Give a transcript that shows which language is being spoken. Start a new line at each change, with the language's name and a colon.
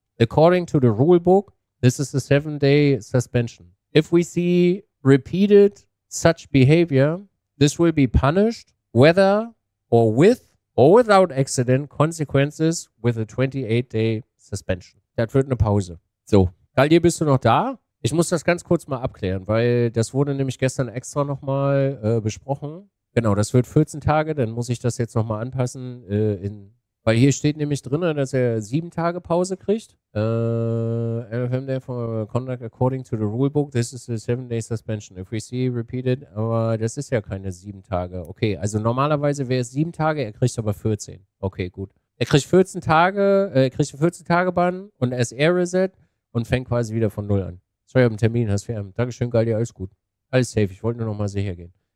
English: According to the rulebook, this is a 7-day suspension. If we see repeated such behavior, this will be punished whether or with or without accident consequences with a 28-day suspension.
German: Das wird eine Pause. So, Galdi, bist du noch da? Ich muss das ganz kurz mal abklären, weil das wurde nämlich gestern extra nochmal besprochen. Genau, das wird 14 Tage, dann muss ich das jetzt nochmal anpassen. Weil hier steht nämlich drin, dass er 7 Tage Pause kriegt.
English: LFM, therefore, conduct according to the rulebook, this is a 7-day suspension. If we see repeated,
German: aber das ist ja keine 7 Tage. Okay, also normalerweise wäre es 7 Tage, er kriegt aber 14. Okay, gut. Er kriegt 14 Tage, er kriegt 14 Tage Bann und SR Reset und fängt quasi wieder von null an. Sorry, ich habe einen Termin, hast du einen. Dankeschön, Galdi, alles gut. Alles safe, ich wollte nur nochmal sicher gehen.